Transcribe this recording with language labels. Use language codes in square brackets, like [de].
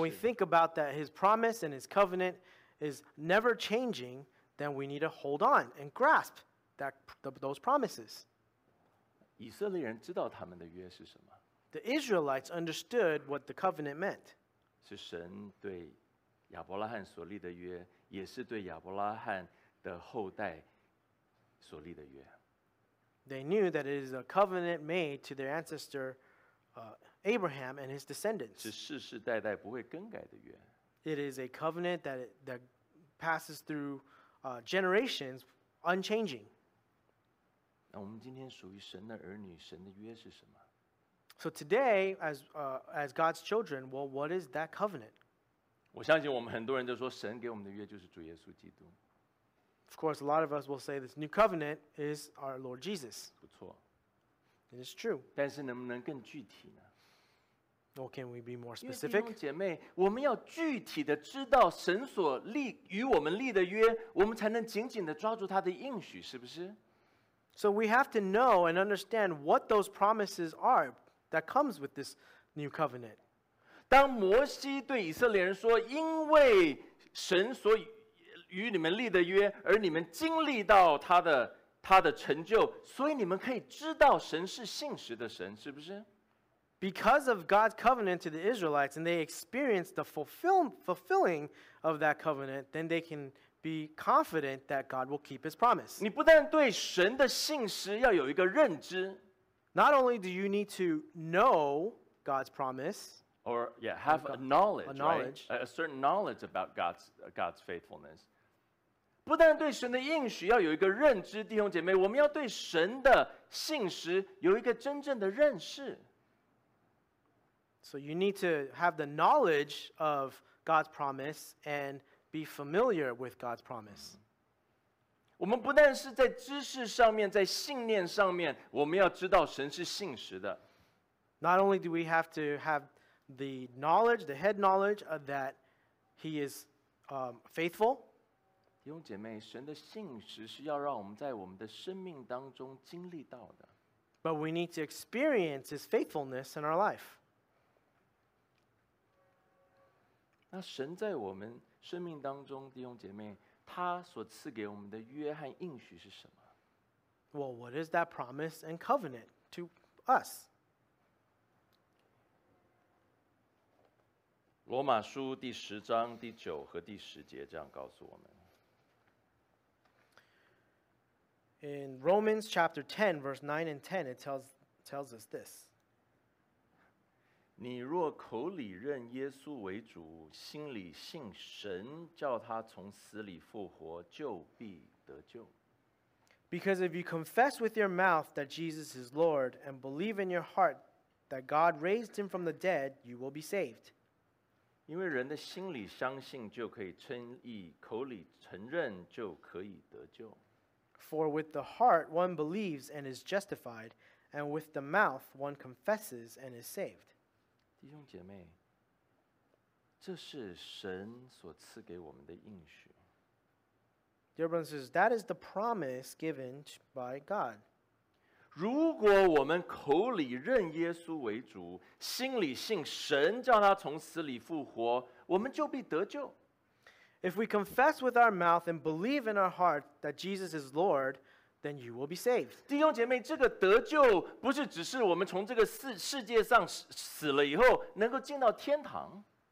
[en] When we think about that, his promise and his covenant is never changing, then we need to hold on and grasp those promises. [zh] 以色列人知道他们的约是什么？ [en] The Israelites understood what the covenant meant. [zh] 是神对亚伯拉罕所立的约，也是对亚伯拉罕的后代所立的约。 [en] They knew that it is a covenant made to their ancestor Abraham and his descendants. [zh] 是世世代代不会更改的约。 [en] It is a covenant that passes through generations unchanging. [zh] 那我们今天属于神的儿女，神的约是什么？ [en] So today, as God's children, well, what is that covenant? [zh] 我相信我们很多人就说神给我们的约就是主耶稣基督。 [en] Of course, a lot of us will say this new covenant is our Lord Jesus. [zh] 不错。 [en] It is true. [zh] 但是能不能更具体呢？ [en] Well, can we be more specific? [zh] 因为弟兄姐妹，我们要具体的知道神所立与我们立的约，我们才能紧紧的抓住他的应许，是不是？ [en] So we have to know and understand what those promises are. That comes with this new covenant. [zh] 当摩西对以色列人说，因为神所与你们立的约，而你们经历到他的成就，所以你们可以知道神是信实的神，是不是？ [en] Because of God's covenant to the Israelites, and they experienced the fulfilling of that covenant, then they can be confident that God will keep His promise. [zh] 你不但对神的信实要有一个认知。 [en] Not only do you need to know God's promise, or yeah, have a knowledge, right? A certain knowledge about God's faithfulness. [zh] 不但对神的应许要有一个认知，弟兄姐妹，我们要对神的信实有一个真正的认识。 [en] So you need to have the knowledge of God's promise and be familiar with God's promise. [zh] 我们不但是在知识上面，在信念上面，我们要知道神是信实的。 [en] Not only do we have to have the knowledge, the head knowledge of that He is faithful. [zh] 弟兄姐妹，神的信实是要让我们在我们的生命当中经历到的。 [en] But we need to experience His faithfulness in our life. [zh] 那神在我们生命当中，弟兄姐妹。他所赐给我们的约和应许是什么？ [en] Well, what is that promise and covenant to us? [zh] 罗马书第十章第九和第十节这样告诉我们。 [en] In Romans chapter 10, verse 9 and 10, it tells us this. [zh] 你若口里认耶稣为主，心里信神叫他从死里复活，就必得救。 [en] Because if you confess with your mouth that Jesus is Lord and believe in your heart that God raised him from the dead, you will be saved. [zh] 因为人的心里相信就可以称义，口里承认就可以得救。 [en] For with the heart one believes and is justified, and with the mouth one confesses and is saved. [zh] 弟兄姐妹，这是神所赐给我们的应许。 [en] Dear brothers and sisters, that is the promise given by God. [zh] 如果我们口里认耶稣为主，心里信神叫他从死里复活，我们就必得救。 [en] If we confess with our mouth and believe in our heart that Jesus is Lord,Then you will be saved. [zh] 弟兄姐妹，这个得救不是只是我们从这个世界上死了以后能够进到天堂。